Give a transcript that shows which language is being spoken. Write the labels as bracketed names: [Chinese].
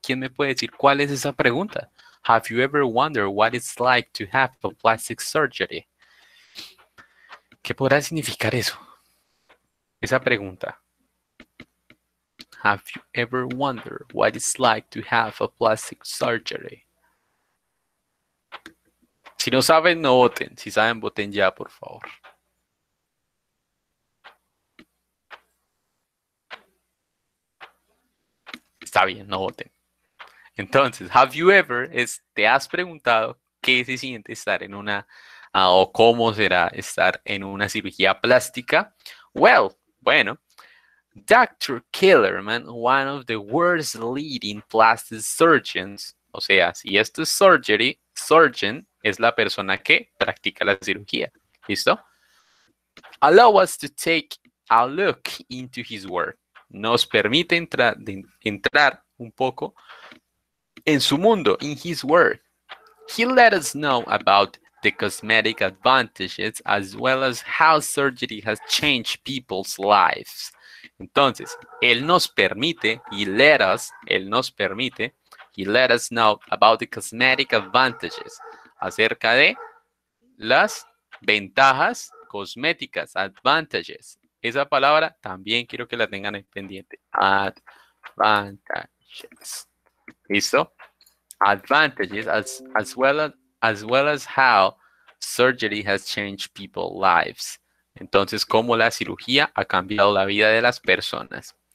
[Spanish] ¿Quién me puede decir cuál es esa pregunta? [English] Have you ever wondered what it's like to have a plastic surgery? [Spanish] ¿Qué podrá significar eso? Esa pregunta. [English] Have you ever wondered what it's like to have a plastic surgery? [Spanish] Si no saben, no voten. Si saben, voten ya, por favor. Está bien, no voten. Entonces, [English] have you ever, [Spanish] te has preguntado qué se siente estar en una, o cómo será estar en una cirugía plástica? Bueno. Dr. [English] Kellerman, one of the world's leading plastic surgeons. [Spanish] O sea, si esto es surgery, surgeon es la persona que practica la cirugía. ¿Listo? [English] Allow us to take a look into his work. [Spanish] Nos permite entrar un poco en su mundo, [English] in his work. He let us know about the cosmetic advantages as well as how surgery has changed people's lives. [Spanish] Entonces, él nos permite, [English] he let us know about the cosmetic advantages, [Spanish] acerca de las ventajas cosméticas, advantages. Esa palabra también quiero que la tengan en pendiente. Advantages. ¿Listo? [English] Advantages as well as how surgery has changed people's lives. [Spanish] Entonces, cómo la cirugía ha cambiado la vida de las personas.